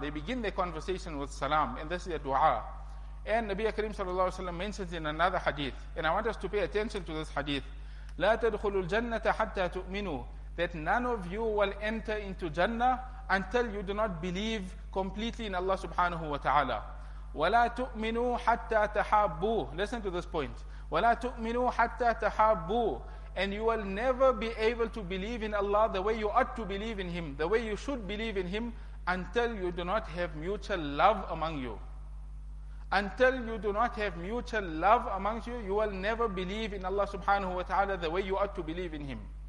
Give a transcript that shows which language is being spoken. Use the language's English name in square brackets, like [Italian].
[English] They begin their conversation with salam. And this is a dua. And Nabi Kareem sallallahu alayhi wa sallam mentions in another hadith, and I want us to pay attention to this hadith, [Arabic] لا تدخلوا الجنة حتى تؤمنوا, [English] that none of you will enter into Jannah until you do not believe completely in Allah subhanahu wa ta'ala. [Arabic] ولا تؤمنوا حتى تحابوا. [English] Listen to this point. [Arabic] ولا تؤمنوا حتى تحابوا. [English] and you will never be able to believe in Allah the way you ought to believe in Him, the way you should believe in Him, until you do not have mutual love among you. Until you do not have mutual love amongst you, you will never believe in Allah subhanahu wa ta'ala the way you ought to believe in Him.